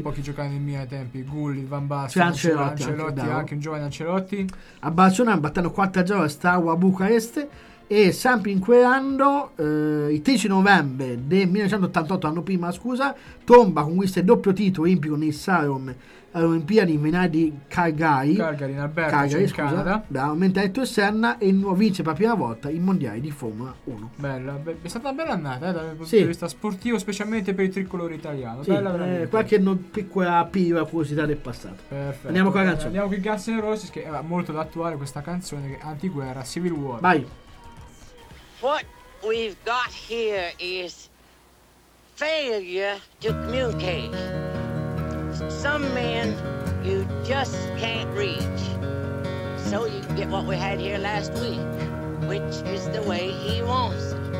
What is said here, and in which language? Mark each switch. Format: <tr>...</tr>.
<it>Pochi giocatori nei miei tempi, Gulli, Van Basten, cioè Ancelotti, anche un giovane Ancelotti. A Barcellona battendo 4-0 a Steaua Bucarest. E sempre in quell'anno, il 13 novembre del 1988, anno prima, scusa, Tomba conquista il doppio titolo olimpico nel Slalom alle Olimpiadi invernali di Calgary, in Alberta, in Canada. Da mentre Ayrton Senna e vince per la prima volta il mondiale di Formula 1. Bella, è stata una bella annata dal punto di vista sportivo, specialmente per il tricolore italiano. Sì, bella, qualche piccola piva curiosità del passato. Perfetto. Andiamo con la canzone. Andiamo con Guns N' Roses, che è molto da attuare questa canzone, che è Antiguerra, Civil War. Vai.</it> <en>What we've got here is failure to communicate. Some men you just can't reach. So you get what we had here last week, which is the way he wants it.</en>